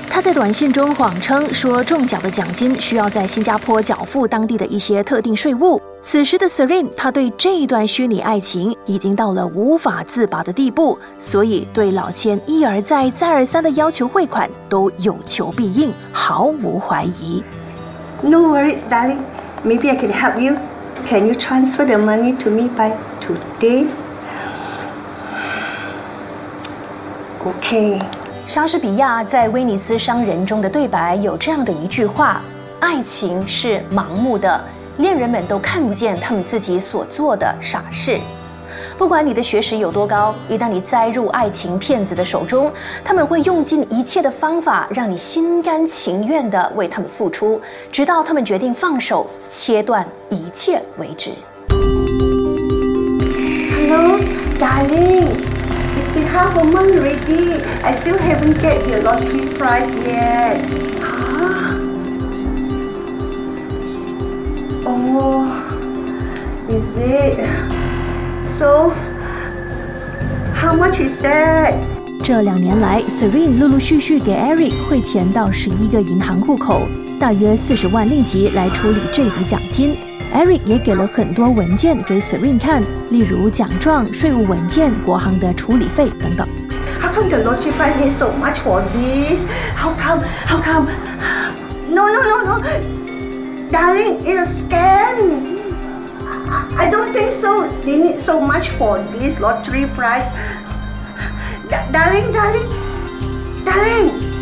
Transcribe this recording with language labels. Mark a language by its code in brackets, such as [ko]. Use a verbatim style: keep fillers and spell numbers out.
[zh] 他在短信中谎称说中奖的奖金需要在新加坡缴付当地的一些特定税务。此时的 Serene， 他对这一段虚拟爱情已经到了无法自拔的地步，所以对老千一而再、再而三的要求汇款都有求必应，毫无怀疑。 [en] No worry, darling. Maybe I can help you. Can you transfer the money to me by today? Okay. [zh] 莎士比亚在《威尼斯商人》中的对白有这样的一句话：爱情是盲目的，恋人们都看不见他们自己所做的傻事。不管你的学识有多高，一旦你栽入爱情骗子的手中，他们会用尽一切的方法让你心甘情愿地为他们付出，直到他们决定放手，切断一切为止。 [en] Hello, darling. It's been half a month already. I still haven't get your lottery prize yet. Oh, is it? So, how much is that? [zh] 这两年来 Serene 陆陆续续给 Eric 汇钱到十一个银行户口，大约四十万令吉来处理这笔奖金。 Eric 也给了很多文件给 Serene 看，例如奖状、税务文件、国行的处理费等等。 [en] How come the lottery fund has so much for this? How come? How come? No, no, no, no. Darling, it's a scam. I, I don't think so. They need so much for this lottery prize. Da- darling, darling, darling.